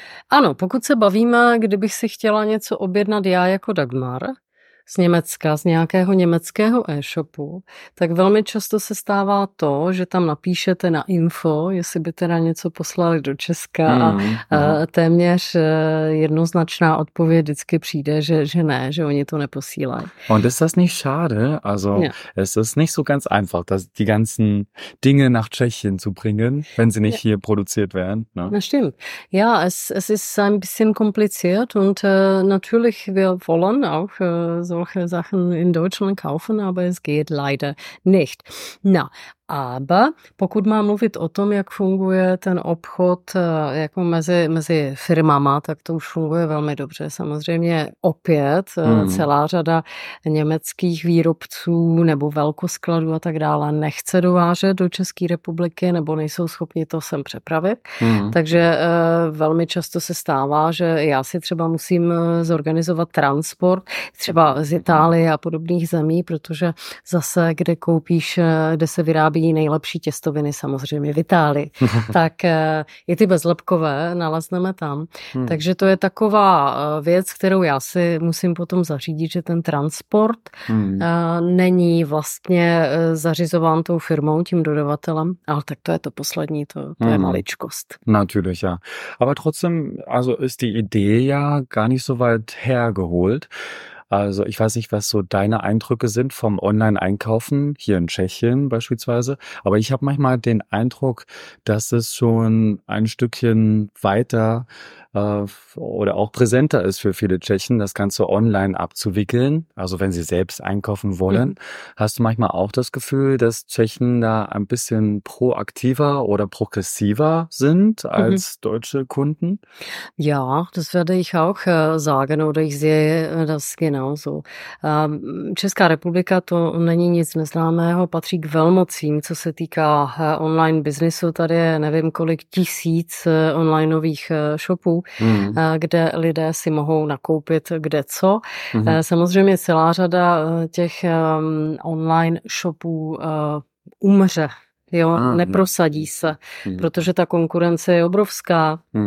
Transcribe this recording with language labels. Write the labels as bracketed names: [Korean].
[Czech] Ano, pokud se bavíme, kdybych si chtěla něco objednat já jako Dagmar, z Německa, z nějakého německého e-shopu, tak velmi často se stává to, že tam napíšete na info, jestli by teda něco poslali do Česka a téměř jednoznačná odpověď vždycky přijde, že ne, že oni to neposílají. [German] Und ist das nicht schade? Also, es ist nicht so ganz einfach, dass die ganzen Dinge nach Tschechien zu bringen, wenn sie nicht hier produziert werden. Na stimmt. Ja, es ist ein bisschen kompliziert und natürlich wir wollen auch solche Sachen in Deutschland kaufen, aber es geht leider nicht. Na, aber [Czech] pokud mám mluvit o tom, jak funguje ten obchod jako mezi firmama, tak to už funguje velmi dobře. Samozřejmě opět celá řada německých výrobců nebo velkoskladů a tak dále nechce dovážet do České republiky nebo nejsou schopni to sem přepravit. Takže velmi často se stává, že já si třeba musím zorganizovat transport třeba z Itálie a podobných zemí, protože zase, kde koupíš, kde se vyrábí nejlepší těstoviny samozřejmě v Itálii, tak i ty bezlepkové nalezneme tam. Takže to je taková věc, kterou já si musím potom zařídit, že ten transport není vlastně zařizován tou firmou, tím dodavatelem, ale tak to je to poslední, to je maličkost. [German] Natürlich, ja. Aber trotzdem, also ist die Idee ja gar nicht so weit hergeholt. Also ich weiß nicht, was so deine Eindrücke sind vom Online-Einkaufen hier in Tschechien beispielsweise, aber ich habe manchmal den Eindruck, dass es schon ein Stückchen weiter oder auch präsenter ist für viele Tschechen, das Ganze online abzuwickeln, also wenn sie selbst einkaufen wollen. Hast du manchmal auch das Gefühl, dass Tschechen da ein bisschen proaktiver oder progressiver sind als deutsche Kunden? Ja, das werde ich auch sagen oder ich sehe das genauso. [Czech] Česká republika, to není nic neznámého, patří k velmocím, co se týká online biznisu. Tady je nevím kolik tisíc onlineových shopů, kde lidé si mohou nakoupit kde co. Samozřejmě celá řada těch online shopů umře, jo, neprosadí se, protože ta konkurence je obrovská.